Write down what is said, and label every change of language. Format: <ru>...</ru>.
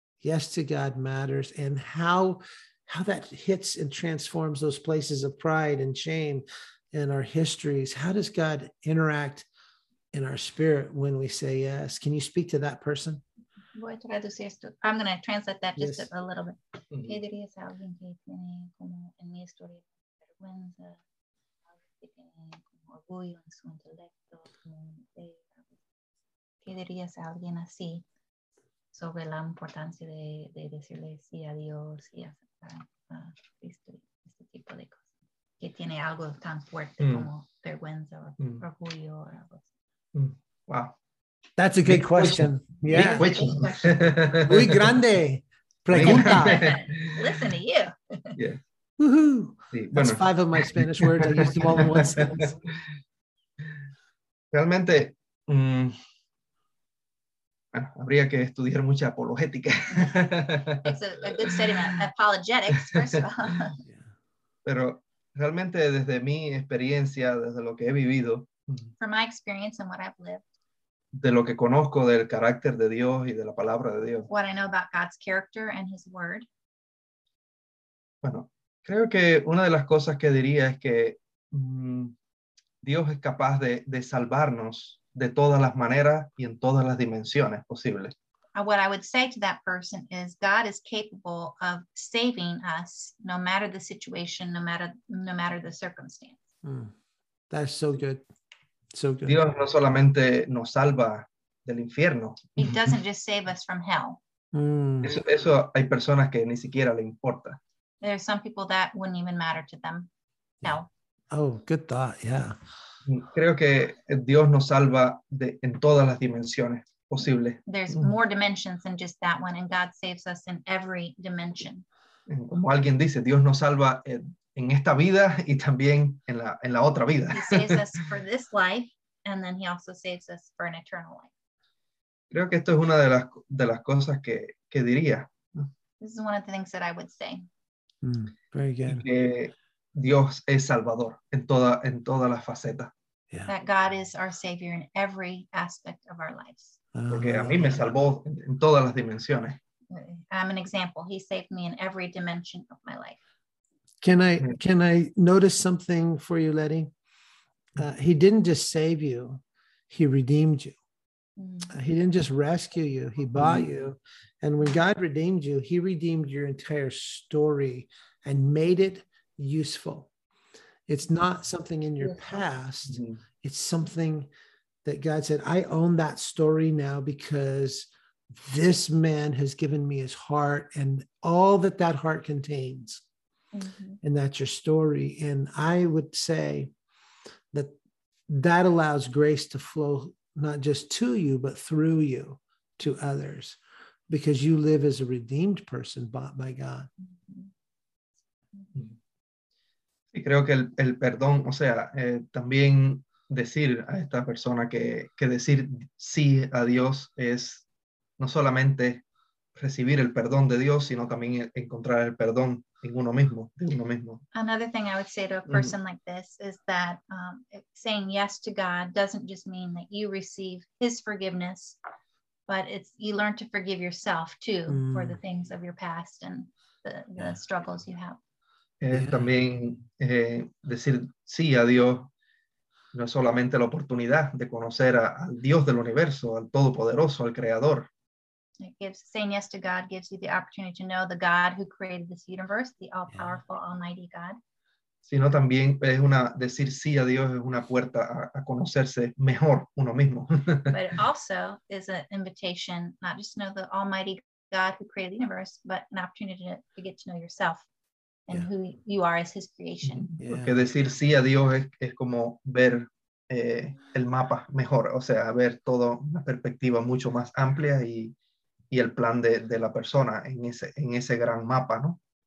<en>Yes to God matters, and how that hits and transforms those places of pride and shame in our histories. How does God interact in our spirit when we say yes? Can you speak to that person? I'm going to translate that just a little bit.</en> <es>Pedro es alguien que tiene como en mi historia vergüenza, alguien que tiene como orgullo en su intelecto. Pedro es alguien así sobre la importancia de decirle sí a Dios y aceptar este tipo de cosas. Que tiene algo tan fuerte como vergüenza o orgullo o algo así.</es> <en>Wow. That's a good question. Yeah. Which one?</en> <es>Muy grande. Pregunta.</es> <en>Listen to you. Yeah. Woohoo.</en> <es>Sí, bueno.</es> <en>That's five of my Spanish words. I used them all in one sentence.</en> <es>Realmente, bueno, habría que estudiar mucha apologética.</es> <en>It's a good statement. Apologetics, first of all.</en> <es>Pero realmente desde mi experiencia, desde lo que he vivido.</es> <en>From my experience and what I've lived.</en> <es>De lo que conozco del carácter de Dios y de la palabra de Dios.</es> <en>What I know about God's character and his word.</en> <es>Bueno, creo que una de las cosas que diría es que Dios es capaz de salvarnos de todas las maneras y en todas las dimensiones posibles.</es> <en>What I would say to that person is God is capable of saving us no matter the situation, no matter the circumstance. Mm. That's so good. So good.</en> <es>Dios no solamente nos salva del infierno.</es> <en>He doesn't just save us from hell.</en> <es>Eso hay personas que ni siquiera le importa.</es> <en>There are some people that wouldn't even matter to them. Hell. Oh, good thought, yeah.</en> <es>Creo que Dios nos salva en todas las dimensiones posibles.</es> <en>There's more dimensions than just that one, and God saves us in every dimension.</en> <es>Como alguien dice, Dios nos salva en esta vida y también en la otra vida.</es> <en>He saves us for this life, and then he also saves us for an eternal life.</en> <es>Creo que esto es una de las cosas que diría.</es> <en>This is one of the things that I would say. Very good.</en> <es>Que Dios es salvador en todas las facetas.</es> <en>Yeah. That God is our savior in every aspect of our lives.</en> <es>Porque a mí me salvó en todas las dimensiones.</es> <en>I'm an example. He saved me in every dimension of my life. Can I notice something for you, Ledy? He didn't just save you. He redeemed you. He didn't just rescue you. He bought you. And when God redeemed you, he redeemed your entire story and made it useful. It's not something in your past. It's something that God said, I own that story now because this man has given me his heart and all that heart contains. Mm-hmm. And that's your story. And I would say that allows grace to flow, not just to you, but through you to others, because you live as a redeemed person bought by God.</en> <es>Y creo que el perdón, o sea, también decir a esta persona que decir sí a Dios es no solamente recibir el perdón de Dios, sino también encontrar el perdón en uno mismo, de uno mismo.</es> <en>Another thing I would say to a person like this is that saying yes to God doesn't just mean that you receive his forgiveness, but it's you learn to forgive yourself too for the things of your past and the struggles you have.</en> <es>También decir sí a Dios no es solamente la oportunidad de conocer al Dios del universo, al Todopoderoso, al Creador.</es> <en>Saying yes to God gives you the opportunity to know the God who created this universe, the all-powerful, almighty God.</en> <es>Sino también es una decir sí a Dios es una puerta a conocerse mejor uno mismo.</es> <en>But it also is an invitation not just to know the almighty God who created the universe, but an opportunity to get to know yourself and who you are as his creation.</en> <es>Porque decir sí a Dios es como ver el mapa mejor, o sea, ver todo una perspectiva mucho más amplia y el plan de la persona en ese gran mapa, ¿no?</es>